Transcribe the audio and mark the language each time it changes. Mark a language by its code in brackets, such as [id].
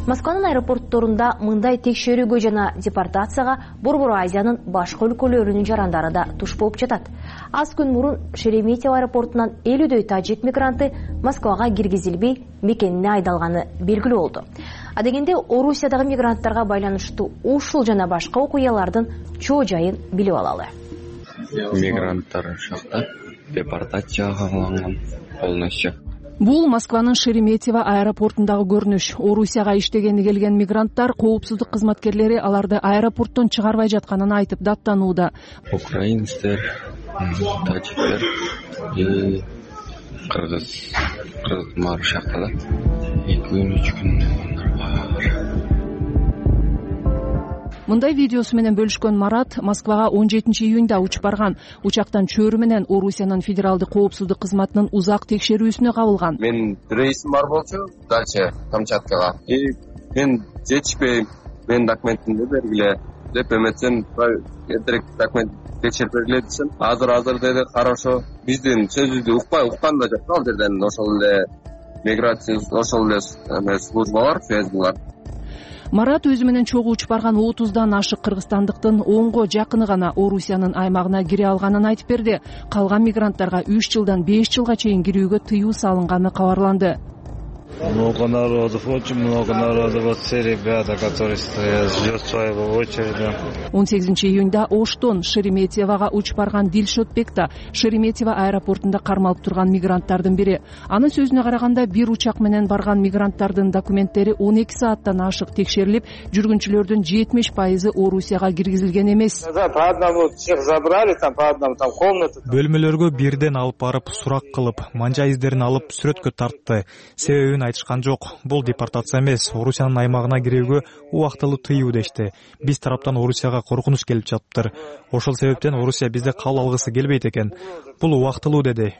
[ky] Москванын аэропортторунда мындай текшерүүгө жана депортацияга Борбор Азиянын башка өлкөлөрүнүн жарандары да туш болуп жатат. Аз күн мурун Шереметьево аэропортунан 50 тажик мигранты Москвага киргизилбей мекенине айдалганы белгилүү болду. Адегенде Орусиядагы мигранттарга байланыштуу ушул жана башка окуялардын чоо жайын билип алалы. Мигранттар шакта депортацияга алынган полностью. Бул Москванын Шереметьево аэропортундагы көрүнүш. Орусияга иштегени келген мигранттар коопсуздук кызматкерлери аларды аэропорттон чыгарбай жатканын айтып даттанууда. Украинцтер, тажиктер, кыргыз, кыргызмар шакта да 2-3 күн. Мындай видеосу менен бөлүшкөн Марат Москвага 17 июнда учуп барган. Учактан чөөрү менен Орусиянын федералдык коопсуздук кызматынын узак текшерүүсүнө кабылган. Мен рейсим бар болчу дальше Камчаткага. Мен жетишпейм, менин документимди бергиле деп эметсем, эртерээк документ текшерип бергиле десем, азыр деди хорошо. Биздин сөзүбүздү укпай, уккан да жок ал жерден. Ошол эле миграция, ошол эле службалар, ФСБлар. Марат өзү менен чогуу учуп барган 30 ашык кыргызстандыктын 10 жакыны гана Орусиянын аймагына кире алганын айтып берди. Калган мигранттарга 3 жылдан 5 жылга чейин кирүүгө тыюу салынганы кабарланды. [ru] Много народу, очень много народу. Вот все ребята, которые стоят, ждут своего очереди. [ky] 18 июнда Оштон Шереметьевага учуп барган Дилшот Бек да Шереметьево аэропортунда кармалып турган мигранттардын бири. Анын сөзүнө караганда, бир учак менен барган мигранттардын документтери 12 сааттан ашык текшерилип, жүргүнчүлөрдүн 70% Орусияга киргизилген эмес. [ru] По одному всех забрали, там по одному там комнату. [ky] Бөлмөлөргө бирден алып барып сурак кылып, манжа издерин алып сүрөткө тартты. Себебин айтышкан жок. Бул депортация эмес, Орусиянын аймагына кирүүгө убактылуу тыюу дешти. Биз тараптан Орусияга коркунуч келип жатыптыр. Ошол себептен Орусия бизди кабыл алгысы келбейт экен. Бул убактылуу деди.